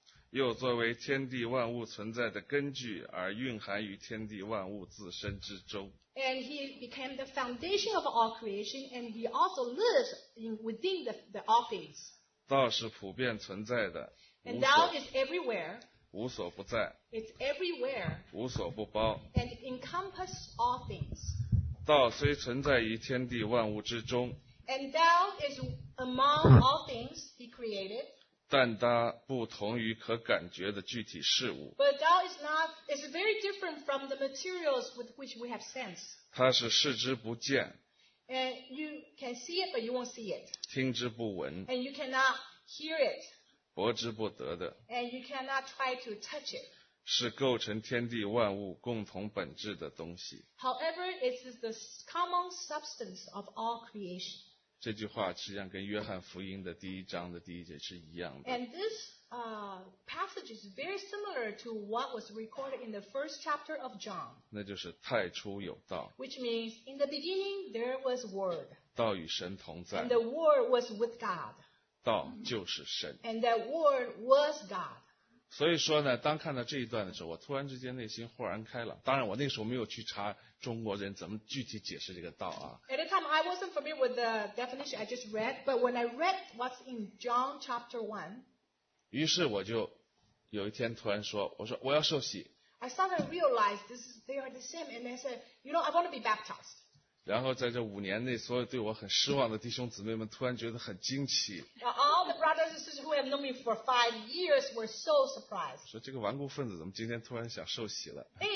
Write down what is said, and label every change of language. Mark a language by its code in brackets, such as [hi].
[zh] 又作为天地万物存在的根据，而蕴含于天地万物自身之中。 [en] And he became the foundation of all creation, and he also lives within the all things. [zh] 道是普遍存在的。 [en] And Tao is everywhere. [zh] 无所不在。 [en] It's everywhere. [zh] 无所不包。 [en] And encompass all things. [zh] 道虽存在于天地万物之中。 [en] And Tao is among all things he created. [zh] 但它不同于可感觉的具体事物。 [en] But Tao is not, it's very different from the materials with which we have sense. [zh] 它是视之不见。 [en] And you can see it, but you won't see it. [zh] 听之不闻。 [en] And you cannot hear it. [zh] 博之不得的。 [en] And you cannot try to touch it. [zh] 是构成天地万物共同本质的东西。 [en] However, it is the common substance of all creation. [zh] 这句话实际上跟约翰福音的第一章的第一节是一样的。 [en] And this passage is very similar to what was recorded in the first chapter of John. [zh] 那就是太初有道。 [en] Which means in the beginning there was word. [zh] 道与神同在。 [en] And the word was with God. [zh] 道就是神。 [en] And that word was God. [zh] 所以说呢，当看到这一段的时候，我突然之间内心豁然开朗。当然，我那时候没有去查。中国人怎么具体解释这个道啊 [en] ？At the time, I wasn't familiar with the definition I just read, but when I read what's in John chapter 1, [zh] 于是我就有一天突然说，我说我要受洗。 [en] I suddenly realized they are the same, and I said, you know, I want to be baptized. [zh] 然后在这五年内，所有对我很失望的弟兄姊妹们突然觉得很惊奇。 [en] All the brothers and sisters who have known me for 5 years were so surprised. [zh] 说这个顽固分子怎么今天突然想受洗了？